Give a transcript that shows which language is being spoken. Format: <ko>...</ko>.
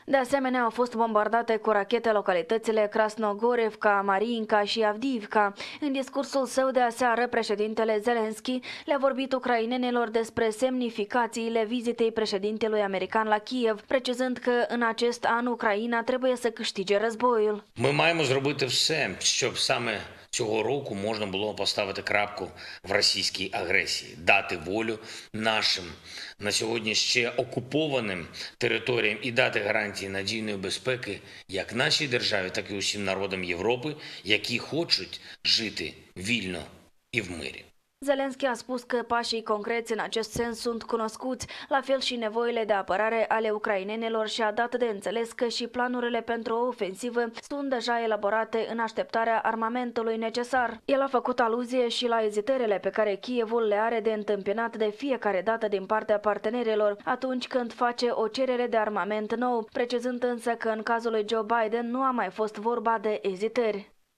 <ro>De asemenea, au fost bombardate cu rachete localitățile Krasnogorevka, Mariinka și Avdiivka. În discursul său de aseară, președintele Zelensky le-a vorbit ucrainenilor despre semnificațiile vizitei președintelui american la Kiev, precizând că în acest an Ucraina trebuie să câștige războiul.</ro> <uk>Ми маємо зробити все, щоб саме цього року можна було поставити крапку в російській агресії, дати волю нашим на сьогодні ще окупованим територіям і дати гарантії надійної безпеки як нашій державі, так і усім народам Європи, які хочуть жити вільно і в мирі.</uk> <ro>Zelensky a spus că pașii concreți în acest sens sunt cunoscuți, la fel și nevoile de apărare ale ucrainenilor și a dat de înțeles că și planurile pentru o ofensivă sunt deja elaborate în așteptarea armamentului necesar. El a făcut aluzie și la ezitările pe care Kievul le are de întâmpinat de fiecare dată din partea partenerilor atunci când face o cerere de armament nou, precizând însă că în cazul lui Joe Biden nu a mai fost vorba de ezitări.</ro>